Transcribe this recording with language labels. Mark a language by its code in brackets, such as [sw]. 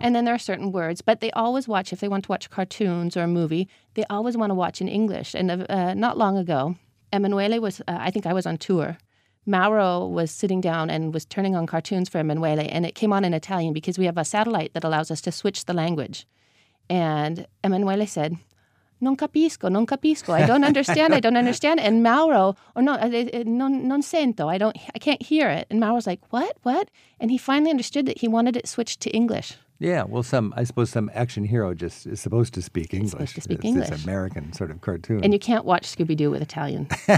[en] And then there are certain words, but they always watch, if they want to watch cartoons or a movie, they always want to watch in English. And not long ago, Emanuele was, I think I was on tour. Mauro was sitting down and was turning on cartoons for Emanuele, and it came on in Italian because we have a satellite that allows us to switch the language. And Emanuele said, [it] non capisco, non capisco. [en] I don't understand, I don't understand. And Mauro, [it] non sento, [en] I can't hear it. And Mauro's like, what? And he finally understood that he wanted it switched to English. Yeah, well, I suppose some action hero just is supposed to speak English. He's supposed to speak English. This American sort of cartoon. And you can't watch Scooby-Doo with Italian.